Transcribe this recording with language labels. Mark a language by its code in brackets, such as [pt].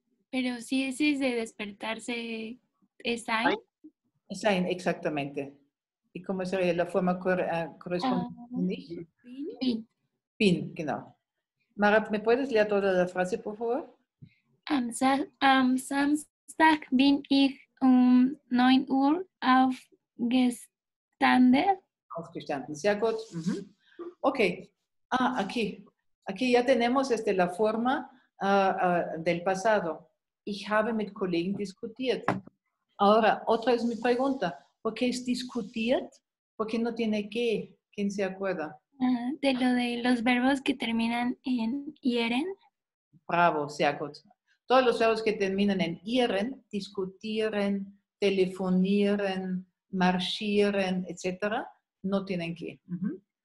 [es] Pero si ese es de despertarse, ¿es ein? Es ein, exactamente. ¿Y cómo sería la forma correspondiente? [de] Bin, genau. [es] Mara, ¿me puedes leer toda la frase, por favor? [de] Am Samstag bin ich 9 Uhr aufgestanden. Aufgestanden, sehr gut. Uh-huh. Ok. Ah, aquí. [es] Aquí ya tenemos la forma del pasado. [de] Ich habe mit Kollegen diskutiert. [es] Ahora, otra es mi pregunta. ¿Por qué es discutiert? ¿Por qué no tiene que? ¿Quién se acuerda? De lo de los verbos que terminan en ieren. Bravo, sehr gut. Todos los verbos que terminan en ieren, discutieren, telefonieren, marschieren, etc., no tienen que. Uh-huh.